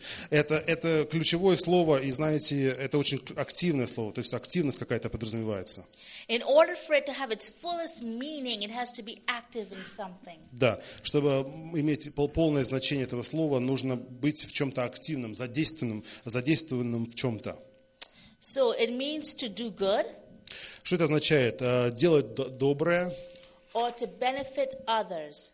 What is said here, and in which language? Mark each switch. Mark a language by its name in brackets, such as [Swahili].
[Russian] Это ключевое слово, и знаете, это очень активное слово, то есть активность какая-то подразумевается. [English] In order for it to have its fullest meaning, it has to be active in something. [Russian] Да, чтобы иметь полное значение этого слова, нужно быть в чем-то активным, задействованным в чем-то. [English] So it means to do good. [Russian] Что это означает? Делать доброе. [English] Or to benefit others.